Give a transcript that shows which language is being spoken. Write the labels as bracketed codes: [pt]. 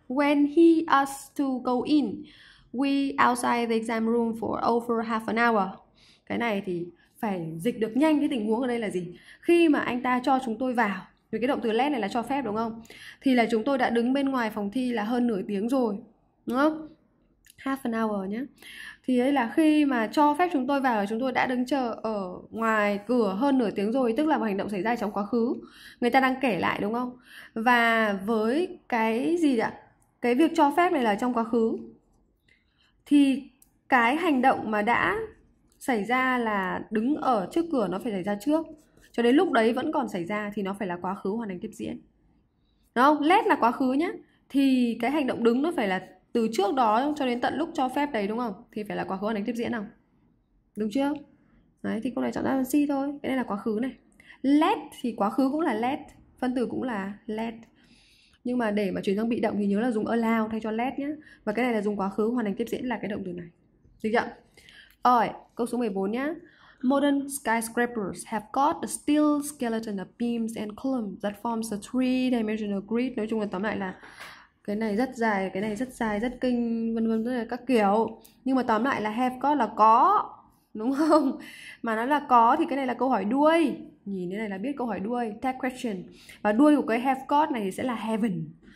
[en] When he asked to go in, we outside the exam room for over half an hour. [vi] Cái này thì phải dịch được nhanh. Cái tình huống ở đây là gì? Khi mà anh ta cho chúng tôi vào, vì cái động từ let này là cho phép đúng không? Thì là chúng tôi đã đứng bên ngoài phòng thi là hơn nửa tiếng rồi. Đúng không? [en] Half an hour [vi] nhé. Thì ấy là khi mà cho phép chúng tôi vào là chúng tôi đã đứng chờ ở ngoài cửa hơn nửa tiếng rồi, tức là một hành động xảy ra trong quá khứ. Người ta đang kể lại đúng không? Và với cái gì ạ? Cái việc cho phép này là trong quá khứ. Thì cái hành động mà đã xảy ra là đứng ở trước cửa nó phải xảy ra trước. Cho đến lúc đấy vẫn còn xảy ra thì nó phải là quá khứ hoàn thành tiếp diễn. Đúng không? Let là quá khứ nhé. Thì cái hành động đứng nó phải là từ trước đó cho đến tận lúc cho phép đấy đúng không? Thì phải là quá khứ hoàn thành tiếp diễn nào. Đúng chưa? Đấy thì câu này chọn đáp án C thôi. Cái này là quá khứ này. Let thì quá khứ cũng là let, phân từ cũng là let. Nhưng mà để mà chuyển sang bị động thì nhớ là dùng allow thay cho let nhé. Và cái này là dùng quá khứ hoàn thành tiếp diễn là cái động từ này. Được chưa? Rồi, câu số 14 nhé. [en] Modern skyscrapers have got a steel skeleton of beams and columns that forms a three-dimensional grid. [vi] Nói chung là tóm lại là cái này rất dài, cái này rất dài, rất kinh, vân vân, rất là các kiểu. Nhưng mà tóm lại là [en] have got [vi] là có, đúng không? Mà nó là có thì cái này là câu hỏi đuôi. Nhìn thế này là biết câu hỏi đuôi, [en] tag question. [vi] Và đuôi của cái [en] have got [vi] này thì sẽ là heaven.